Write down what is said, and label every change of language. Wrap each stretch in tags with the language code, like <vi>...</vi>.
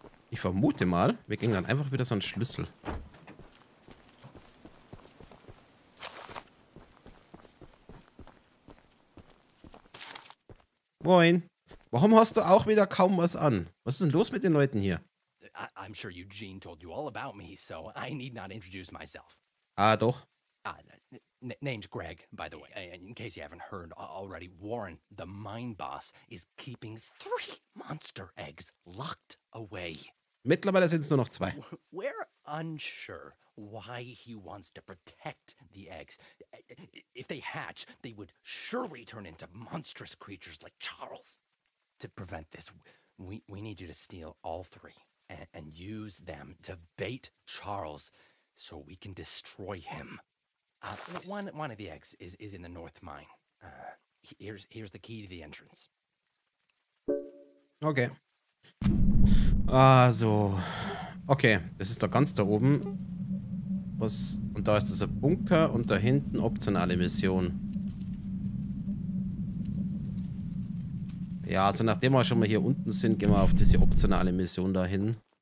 <de>Ich vermute mal, wir kriegen dann einfach wieder so einen Schlüssel. Moin. Warum hast du auch wieder kaum was an? Was ist denn los mit den Leuten hier?</de> <en>I'm sure Eugene told you all about me, so I need not introduce myself.</en> <de>Ah, doch.</de> <en>Name's Greg, by the way. In case you haven't heard already, Warren, the mine boss, is keeping 3 monster eggs locked away.</en> <de>Mittlerweile sind es nur noch 2.</de> <en>We're unsure why he wants to protect the eggs. If they hatch, they would surely turn into monstrous creatures like Charles. To prevent this, we need you to steal all 3. And use them to bait Charles so we can destroy him. One of the eggs is in the north mine. Here's the key to the entrance.</en> <de>Okay. Also. Okay, das ist doch ganz da oben. Was? Und da ist dieser Bunker und da hinten optionale Mission. Ja, also nachdem wir schon mal hier unten sind, gehen wir auf diese optionale Mission dahin.</de>